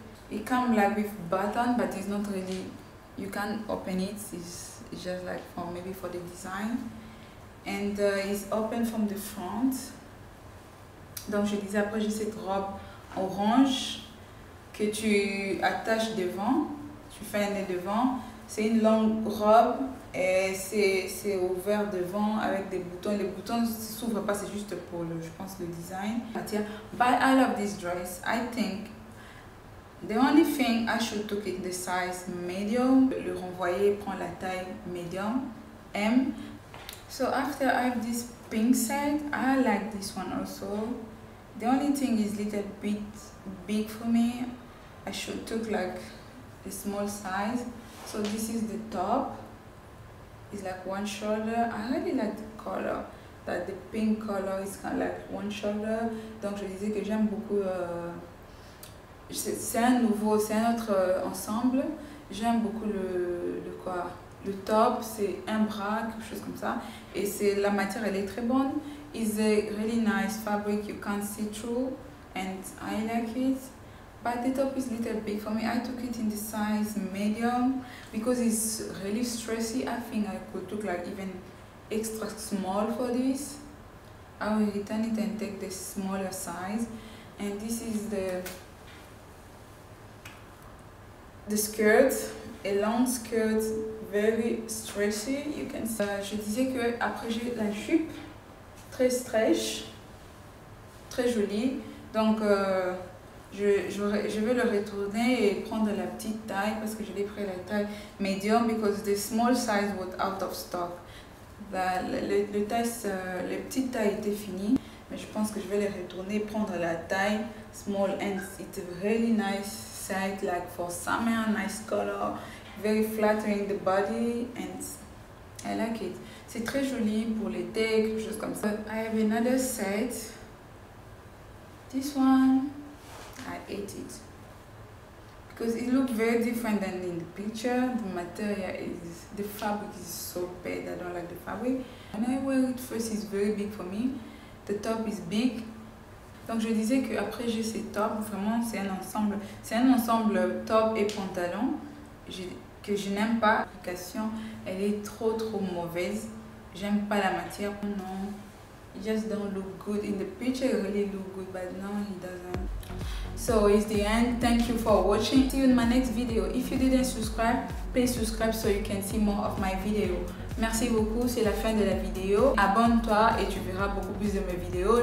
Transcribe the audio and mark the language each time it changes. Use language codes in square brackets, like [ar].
[en] It comes like with button, but it's not really, you can't open it. It's just like for maybe for the design. And it's open from the front. [fr] Donc je disais, après j'ai cette robe orange que tu attaches devant, tu fais un nœud devant. C'est une longue robe et c'est ouvert devant avec des boutons. Les boutons ne s'ouvrent pas, c'est juste pour le, je pense, le design. [en] But yeah, but I love this dress. I think the only thing I should take the size medium. [fr] Le renvoyer prend la taille medium, M. [en] So after I have this pink set, I like this one also. The only thing is little bit big for me. I should take like a small size. So this is the top. It's like one shoulder. I really like the color. That the pink color is kind of like one shoulder. [fr] Donc je disais que j'aime beaucoup. C'est un nouveau, c'est un autre ensemble. J'aime beaucoup le quoi. Le top, c'est un bras, quelque chose comme ça. Et c'est, la matière, elle est très bonne. [en] It's a really nice fabric, you can't see through. And I like it. But the top is a little big for me. I took it in the size medium. Because it's really stretchy, I think I could took like even extra small for this. I will return it and take the smaller size. And this is the skirt. A long skirt. Very stretchy, you can see. [fr] Je disais que après j'ai la jupe très stretch, très jolie. Donc je vais le retourner et prendre la petite taille parce que je l'ai pris la taille medium [en] because the small size was out of stock. [fr] La petite taille était finie, mais je pense que je vais le retourner prendre la taille small [en] and it's really nice set like for summer, nice color. Very flattering the body and I like it. [fr] C'est très joli pour l'été, quelque chose comme ça. [en] I have another set. This one, I hate it. Because it looks very different than in the picture. The material is, the fabric is so bad. I don't like the fabric. When I wear it first, it's very big for me. The top is big. [fr] Donc je disais que après j'ai ces tops, vraiment c'est un ensemble. C'est un ensemble top et pantalon. Que je n'aime pas, l'application elle est trop mauvaise. J'aime pas la matière, non. [en] It just don't look good in the picture, it really look good, but no, it doesn't. So it's the end. Thank you for watching. See you in my next video. If you didn't subscribe, please subscribe so you can see more of my video. [fr] Merci beaucoup, c'est la fin de la vidéo. Abonne-toi et tu verras beaucoup plus de mes vidéos.